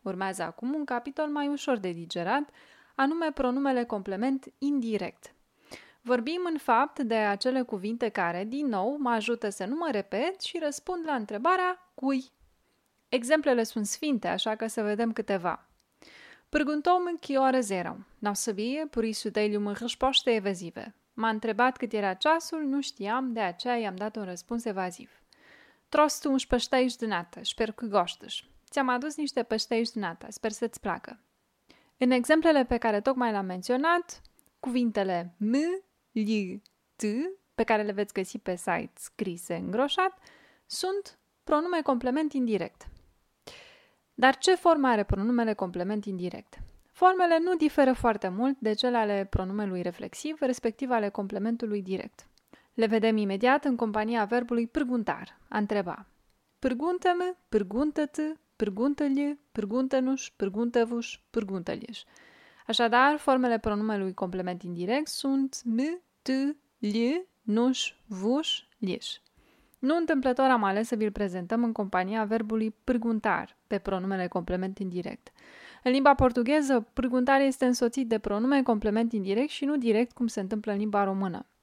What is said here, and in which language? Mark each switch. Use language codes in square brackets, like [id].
[ro] Urmează acum un capitol mai ușor de digerat, anume pronumele complement indirect. Vorbim, în fapt, de acele cuvinte care, din nou, mă ajută să nu mă repet și răspund la întrebarea cui. Exemplele sunt sfinte, așa că să vedem câteva. [pt] Perguntou-me que horas eram. Não sabia, por isso dei-lhe uma resposta evasiva. [ro] M-a întrebat cât era ceasul, nu știam, de aceea i-am dat un răspuns evaziv. [pt] Trouxe-te uns pastéis de nata, espero que gostes. [ro] Ți-am adus niște pastéis de nata, sper să-ți placă. În exemplele pe care tocmai l-am menționat, cuvintele m, l, t, pe care le veți găsi pe site scrise îngroșat, sunt pronume complement indirect. Dar ce formă are pronumele complement indirect? Formele nu diferă foarte mult de cele ale pronumelui reflexiv, respectiv ale complementului direct. Le vedem imediat în compania verbului perguntar, a întreba. [pt] Pergunta-me, pergunta-te, pergunta-lhe, pergunta-nos, pergunta-vos, pergunta-lhes. [ro] Așadar, formele pronumelui complement indirect sunt m, t, l, nuș, vuș, lieș. Nu întâmplător am ales să vi-l prezentăm în compania verbului perguntar pe pronumele complement indirect. În limba portugheză, perguntar este însoțit de pronume complement indirect și nu direct cum se întâmplă în limba română.